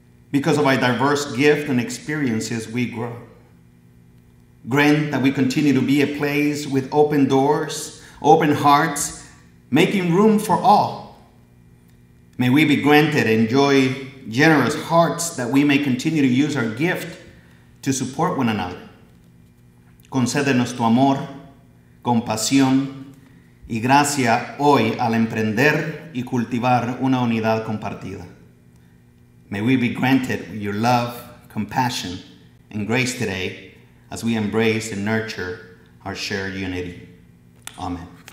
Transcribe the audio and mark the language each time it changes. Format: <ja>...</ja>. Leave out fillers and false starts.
<en>Because of our diverse gifts and experiences, we grow. Grant that we continue to be a place with open doors, open hearts, making room for all. May we be granted and enjoy generous hearts that we may continue to use our gift to support one another.</en> <es>Concédenos tu amor, compasión y gracia hoy al emprender y cultivar una unidad compartida.</es> <en>May we be granted your love, compassion, and grace today as we embrace and nurture our shared unity. Amen.</en>